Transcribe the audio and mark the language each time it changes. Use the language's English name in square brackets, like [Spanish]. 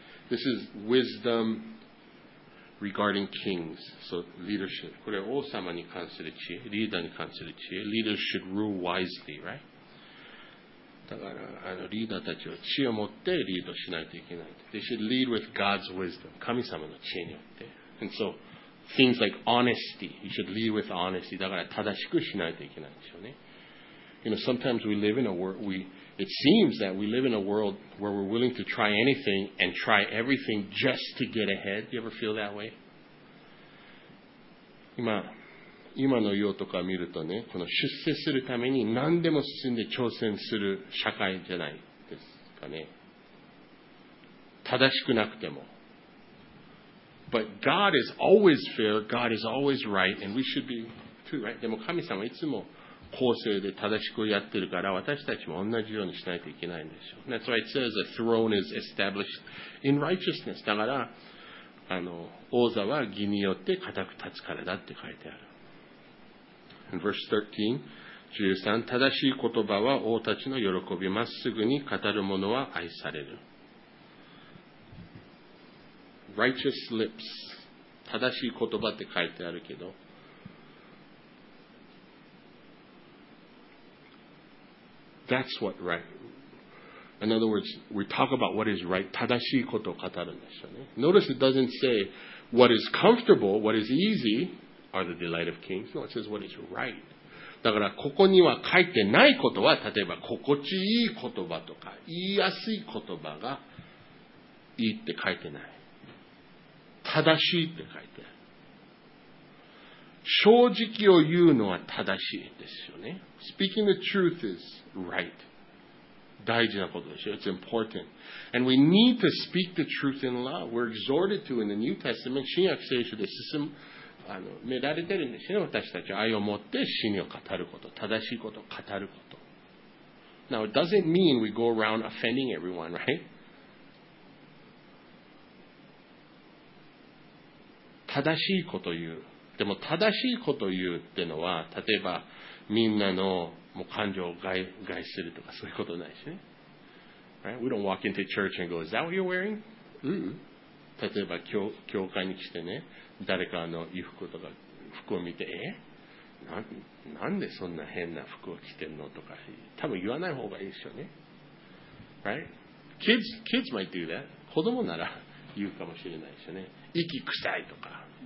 [English] This is wisdom regarding kings, so leadership. [Japanese] これは王様に関する知恵、リーダーに関する知恵。 [English] Leaders should rule wisely, right? [Japanese] だからリーダーたちは知恵を持ってリードしないといけない。 [English] They should lead with God's wisdom, [Japanese] 神様の知恵によって。 [English] And so things like honesty, you should lead with honesty. [Japanese] だから正しくしないといけないんでしょうね。 [English] You know, sometimes we live in a world, it seems that we live in a world where we're willing to try anything and try everything just to get ahead. You ever feel that way? [Japanese] 今の世とか見るとね、この出世するために何でも進んで挑戦する社会じゃないですかね。正しくなくても。 [English] But God is always fair, God is always right, and we should be too, right? [Japanese] でも神様いつも公正で正しくやってるから私たちも同じようにしないといけないんでしょう。 [English] That's why it says a throne is established in righteousness. [Japanese] だから王座は義によって固く立つからだって書いてある。 [English] In verse 13, [Japanese] 13、正しい言葉は王たちの喜び、まっすぐに語る者は愛される。 [English] Righteous lips、 [Japanese] 正しい言葉って書いてあるけど、 [English] That's what right. In other words, we talk about what is right. [Japanese] 正しいことを語るんですよね。 [English] Notice it doesn't say what is comfortable, what is easy are the delight of kings. No, it says what is right. [Japanese] だからここには書いてないことは、例えば心地いい言葉とか言いやすい言葉がいいって書いてない。正しいって書いてある。正直を言うのは正しいですよね。 [English] Speaking the truth is right. [Japanese] 大事なことですよ。 [English] It's important. And we need to speak the truth in love. We're exhorted to in the New Testament. [Japanese] 新約聖書で命られてるんですよね。私たちは愛を持って真理を語ること。正しいことを語ること。 [English] Now, it doesn't mean we go around offending everyone, right? [Japanese] 正しいこと言う。でも正しいこと言うってのは、例えばみんなのもう感情を害するとかそういうことないしね。 [English] Right? We don't walk into church and go, is that what you're wearing? [Japanese] うん。例えば教会に来てね、誰かの衣服とか服を見て、え？なんでそんな変な服を着てんのとか、多分言わない方がいいですよね。 [English] Right? Kids might do that. [Japanese] 子供なら言うかもしれないですよね。息臭いとか。